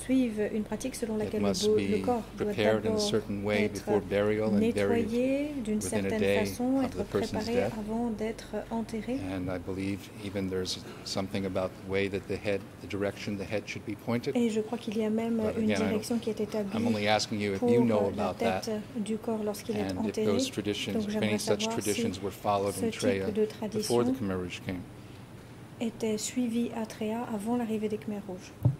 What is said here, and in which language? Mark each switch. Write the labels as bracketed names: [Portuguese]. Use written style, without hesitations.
[French] suivent une pratique selon laquelle le corps doit d'abord être [English] prepared in a certain way before burial and buried within a day of the person's death. And I believe even there's something about the way that the head, the direction the head should be pointed. [French] Et je crois qu'il y a même une direction qui est établie. [English] I'm only asking you if you know about that. And if those traditions, if any such traditions were followed in Treya before the Khmer Rouge came. [French] Était suivi à Treya avant l'arrivée des Khmer Rouges.